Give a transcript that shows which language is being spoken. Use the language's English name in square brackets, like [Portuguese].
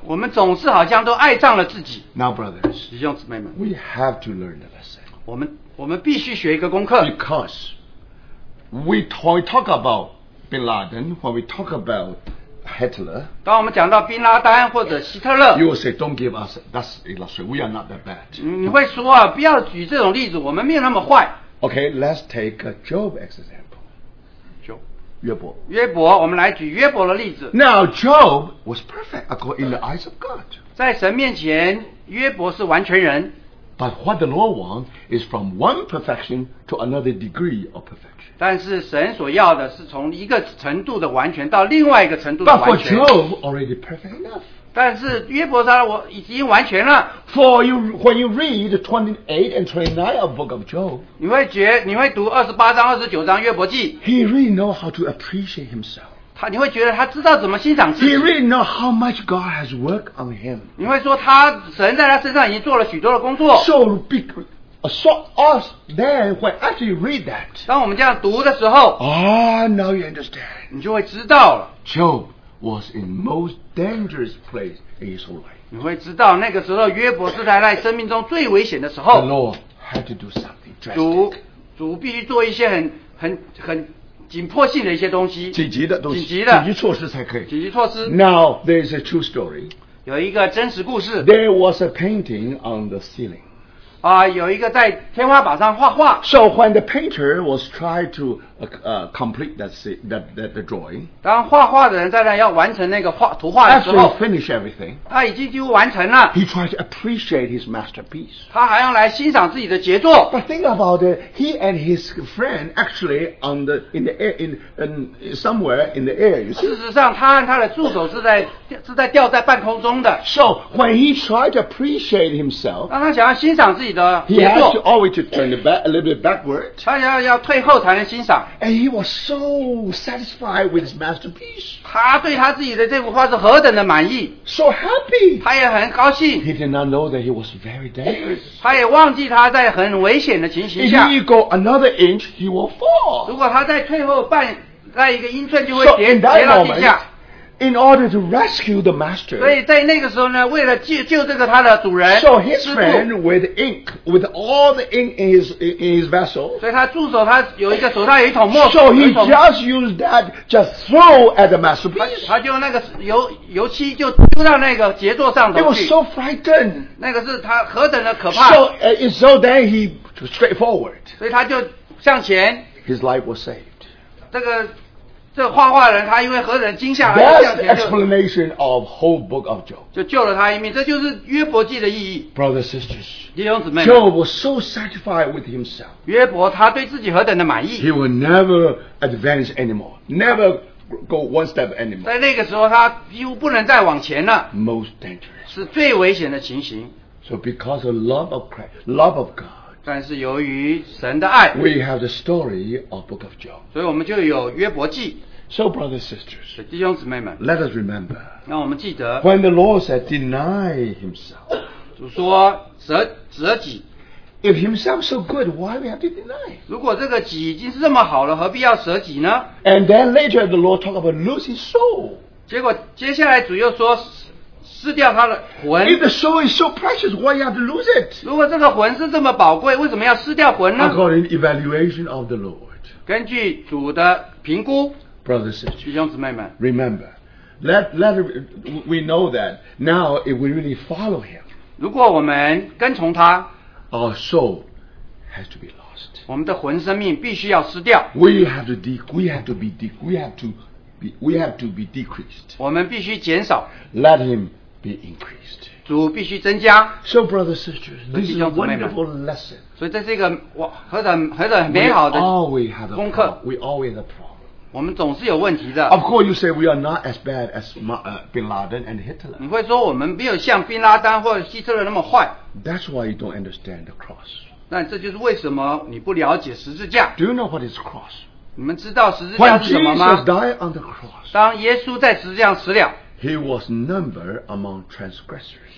[Chinese] 我们总是好像都爱上了自己 [English] now brothers [Chinese] 弟兄姊妹们 [English] we have to learn the lesson [Chinese] 我们必须学一个功课 [English] because we talk about Bin Laden when we talk about Hitler [Chinese] 当我们讲到宾拉丹或者希特勒 [English] you will say don't give us that's illustration we are not that bad [Chinese] 你会说啊不要举这种例子我们没有那么坏 [English] OK let's take a Job example Job [Chinese] 约伯我们来举约伯的例子 [English] Now Job was perfect according in the eyes of God [Chinese] 在神面前约伯是完全人 [English] But what the Lord wants is from one perfection to another degree of perfection [Chinese] 但是神所要的是从一个程度的完全到另外一个程度的完全 [English] But for Job already perfect enough [Chinese] 但是约伯他已经完全了 [English] For you, when you read 28 and 29 of book of Job [Chinese] 你会读28章29章约伯记 [English] He really know how to appreciate himself [Chinese] 你会觉得他知道怎么欣赏自己 [English] He really know how much God has worked on him [Chinese] 你会说他神在他身上已经做了许多的工作 [English] So big So us then when actually read that. [Chinese] 当我们这样读的时候 [English] now you understand. [Chinese] 你就会知道了 [English] Job was in most dangerous place in his whole life. [Chinese] 你会知道那个时候约伯是在生命中最危险的时候 [English] The Lord had to do something drastic. [Chinese] 主必须做一些很紧迫性的一些东西。紧急的东西。紧急的。紧急措施才可以。紧急措施。 [English] Now there is a true story. [Chinese] 有一个真实故事。 [English] There was a painting on the ceiling. [Chinese] 有一个在天花板上画画。 [English] So when the painter was trying to complete that drawing, [Chinese] 当画画的人在那要完成那个画图画的时候 [English] ，After he finished everything, [Chinese] 他已经几乎完成了。 [English] He tried to appreciate his masterpiece. [Chinese] 他还要来欣赏自己的杰作。 [English] But think about it, he and his friend actually on the in the air in somewhere in the air. [Chinese] 事实上，他和他的助手是在吊在半空中的。 [English] So when he tried to appreciate himself, [Chinese] 当他想要欣赏自己的杰作 [English] ，He had to always to turn the back a little bit backward. [Chinese] 他要退后才能欣赏。 [English] And he was so satisfied with his masterpiece. [Chinese] 他对他自己的这幅画是何等的满意。 [English] So happy. [Chinese] 他也很高兴。 [English] He did not know that he was very dangerous. [Chinese] 他也忘记他在很危险的情形下。 [English] If he go another inch, he will fall. [Chinese] 如果他再退后半再一个英寸，就会跌到地下。 [English] In order to rescue the master. [Chinese] 所以在那个时候呢，为了救这个他的主人。 [English] So his friend with ink, with all the ink in his vessel. [Chinese] 所以他助手他有一个手上有一桶墨。 [English] So he just used that just throw at the masterpiece. [Chinese] 他就那个油漆就丢到那个杰作上头去。 [English] It was so frightened. [Chinese] 那个是他何等的可怕。 [English] So then he straightforward. [Chinese] 所以他就向前。 [English] His life was saved. [Chinese] 这画画人他因为何等惊吓而向前就 [English] That's explanation of whole book of Job [Chinese] 就救了他一命这就是约伯记的意义 [English] Brothers and sisters [Chinese] 弟兄姊妹 [English] Job was so satisfied with himself [Chinese] 约伯他对自己何等的满意 [English] He will never advance anymore Never go one step anymore [Chinese] 在那个时候他几乎不能再往前了 [English] Most dangerous [Chinese] 是最危险的情形 [English] So because of love of Christ Love of God [Chinese] 但是由于神的爱 [English] We have the story of book of Job [Chinese] 所以我们就有约伯记 [English] So brothers and sisters [Chinese] 弟兄姊妹们 [English] Let us remember [Chinese] 让我们记得 [English] When the Lord said deny himself [Chinese] 主说舍己 [English] If himself so good why we have to deny [Chinese] 如果这个己已经是这么好了何必要舍己呢 [English] And then later the Lord talked about losing soul [Chinese] 结果接下来主又说失掉他的魂 [English] If the soul is so precious why you have to lose it [Chinese] 如果这个魂是这么宝贵为什么要失掉魂呢 [English] According to evaluation of the Lord [Chinese] 根据主的评估 [English] Brothers and sisters [Chinese] 弟兄姊妹们 [English] Remember let we know that now if we really follow him [Chinese] 如果我们跟从他 [English] Our soul has to be lost [Chinese] 我们的魂生命必须要失掉 [English] We have to be decreased. [Chinese] 我们必须减少。 [English] Let him be increased. [Chinese] 主必须增加。 [English] So brothers and sisters, this is a wonderful lesson. [Chinese] 所以这是一个何等美好的功课。 [English] We always have a problem. [Chinese] 我们总是有问题的。 [English] Of course, you say we are not as bad as Bin Laden and Hitler. [Chinese] 你会说我们没有像宾拉丹或希特勒那么坏。 [English] That's why you don't understand the cross. [Chinese] 那这就是为什么你不了解十字架。 [English] Do you know what is cross? [Chinese] 你们知道十字架是什么吗 [English] When Jesus died on the cross, [Chinese] 当耶稣在十字架上死了 [English] He was numbered among transgressors